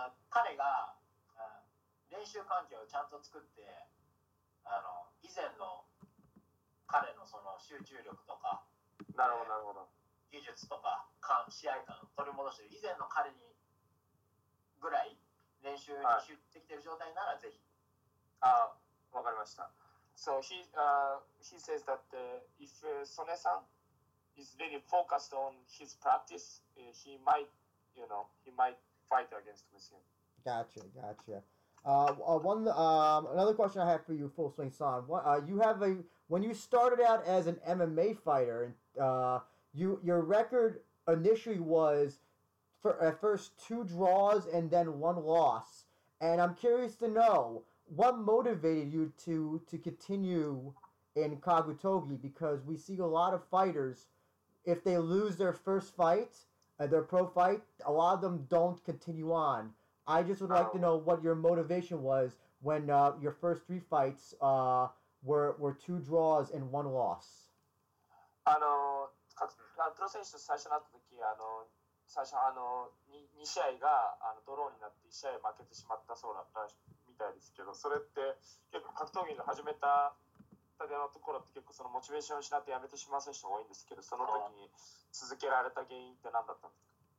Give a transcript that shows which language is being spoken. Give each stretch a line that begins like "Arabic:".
Japanese: 彼が練習環境をちゃんと作って以前の彼のその集中力とか、なるほどなるほど、技術とか試合感を取り戻して、以前の彼にぐらい練習に集ってきてる状態ならぜひ、はい、わかりました。
English: So he says that if Sone さんis really focused on his practice, he might, he might fight against him. Gotcha, gotcha. Another question I have for you, Full Swing San. When you started out as an MMA fighter, your record initially was for at first two draws and then one loss. And I'm curious to know what motivated you to continue in Kagutogi, because we see a lot of fighters, if they lose their first fight, their pro fight, a lot of them don't continue on. I just would like to know what your motivation was when your first three fights were two draws and one loss.
Japanese: プロ選手と最初になった時、最初2試合がドローになって1試合負けてしまったそうだったみたいですけど、それって結構格闘技の始めたのところって結構そのモチベーションを失ってやめてしまう人が多いんですけど、その時に続けられた原因って何だったんですか？